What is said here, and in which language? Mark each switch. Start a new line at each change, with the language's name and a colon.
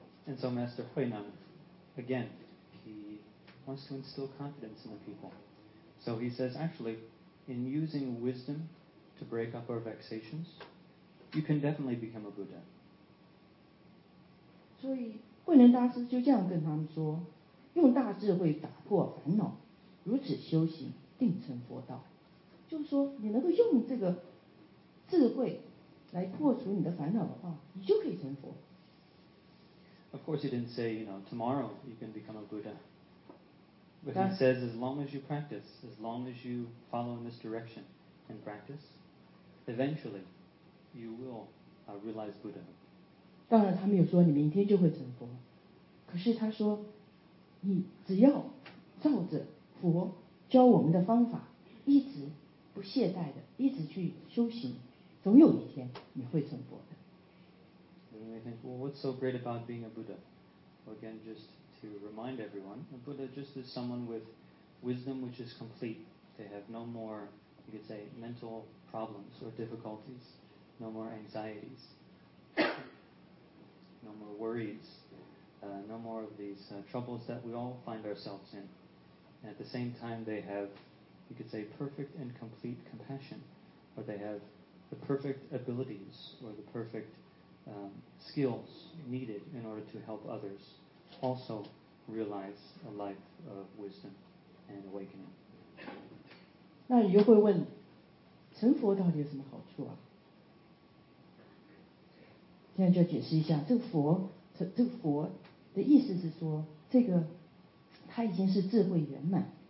English: And so Master Hui Nan again, he wants to instill confidence in the people. So he says, actually, in using wisdom to break up our vexations,You can definitely become a Buddha.
Chinese: 所以慧能大师就这样跟他们说，用大智慧打破烦恼，如此修行定成佛道。就是说，你能够用这个智慧来破除你的烦恼的话，你就可以成佛。
English: Of course, he didn't say, you know, tomorrow you can become a Buddha. But he says, as long as you practice, as long as you follow in this direction and practice, eventually. You will realize Buddha.
Chinese: 当然，他没有说你明天就会成佛，可是他说，你只要照着佛教我们的方法，一直不懈怠的，一直去修行，总有一天你会成佛的。
English: You may think, well, what's so great about being a Buddha? Well, again, just to remind everyone, a Buddha just is someone with wisdom which is complete. They have no more, you could say, mental problems or difficulties. No more anxieties, no more worries, no more of these troubles that we all find ourselves in. And at the same time, they have, you could say, perfect and complete compassion, or they have the perfect abilities, or the perfect skills needed in order to help others also realize a life of wisdom and awakening.
Chinese: 那你就会问，成佛到底有什么好处啊？现在就要解释一下，这个佛的意思是说，这个他已经是智慧圆满。